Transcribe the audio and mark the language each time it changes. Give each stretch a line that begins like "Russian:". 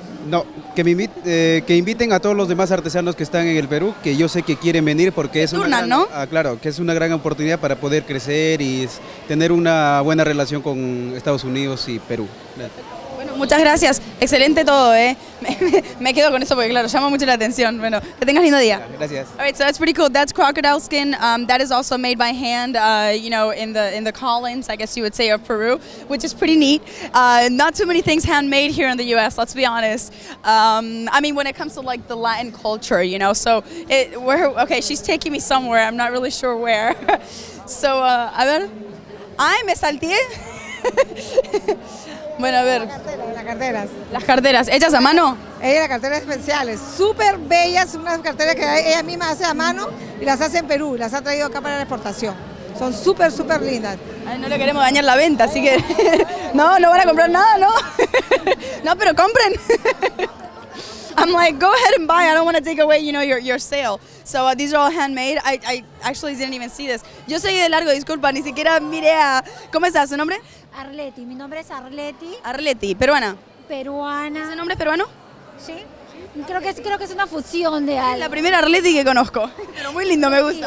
Spanish: No, que inviten a todos los demás artesanos que están en el Perú, que yo sé que quieren venir porque es turnan, una ¿no? Claro, que es una gran oportunidad para poder crecer y tener una buena relación con Estados Unidos y Perú. Bueno, Muchas gracias. Excelente todo, Me quedo con eso porque, claro, llama mucho la atención. Bueno, que tengas lindo día. Gracias.
English: All right, so that's pretty cool. That's crocodile skin. That is also made by hand, you know, in the Collins, I guess you would say, of Peru, which is pretty neat. Not too many things handmade here in the U.S., let's be honest. I mean, when it comes to, like, the Latin culture, you know, so it, where, okay, she's taking me somewhere. I'm not really sure where. So,
Spanish: a ver. Ay, me salté. Bueno, a ver. Las carteras. ¿Hechas a mano? Las carteras especiales. Súper bellas. Unas carteras que ella misma hace a mano y las hace en Perú. Las ha traído acá para la exportación. Son súper, súper lindas. Ay, no le queremos dañar la venta, así que. No, no van a comprar nada, ¿no? No, pero compren.
English: I'm like, go ahead and buy. I don't want to take away, you know, your sale. So these are all handmade. I actually didn't even see this.
Spanish: Yo soy de largo, disculpa, ni siquiera miré a... ¿Cómo está su nombre? Arleti, mi nombre es Arleti. Arleti, peruana. Peruana. ¿Ese nombre es peruano? Sí. Creo que es una fusión de algo. La primera Arleti que conozco. Pero muy lindo, me gusta.